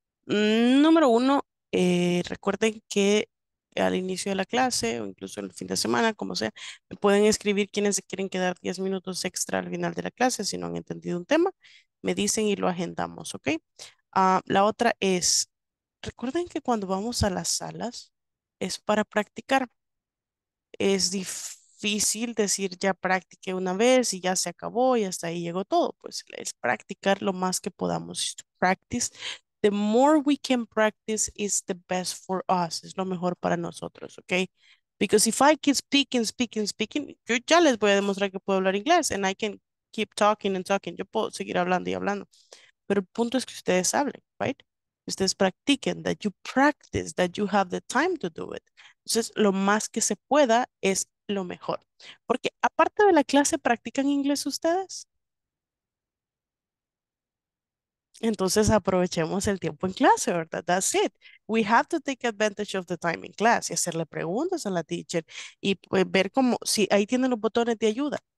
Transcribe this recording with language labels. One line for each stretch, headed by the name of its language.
Spanish: Número uno, recuerden que al inicio de la clase, o incluso el fin de semana, como sea, me pueden escribir quienes se quieren quedar 10 minutos extra al final de la clase, si no han entendido un tema, me dicen y lo agendamos, ¿ok? La otra es, recuerden que cuando vamos a las salas, es para practicar. Es difícil decir, ya practiqué una vez, y ya se acabó, y hasta ahí llegó todo. Pues es practicar lo más que podamos.
English: Practice. The more we can practice is the best for us.
Spanish: Es lo mejor para nosotros, ¿ok?
English: Because if I keep speaking,
Spanish: yo ya les voy a demostrar que puedo hablar inglés.
English: And I can keep talking and talking.
Spanish: Yo puedo seguir hablando y hablando. Pero el punto es que ustedes hablen,
English: right?
Spanish: Ustedes practiquen,
English: that you practice, that you have the time to do it.
Spanish: Entonces, lo más que se pueda es lo mejor. Porque aparte de la clase, ¿practican inglés ustedes? Entonces aprovechemos el tiempo en clase, ¿verdad?
English: That's it. We have to take advantage of the time in class
Spanish: y hacerle preguntas a la teacher y pues, ver cómo, si ahí tienen los botones de ayuda.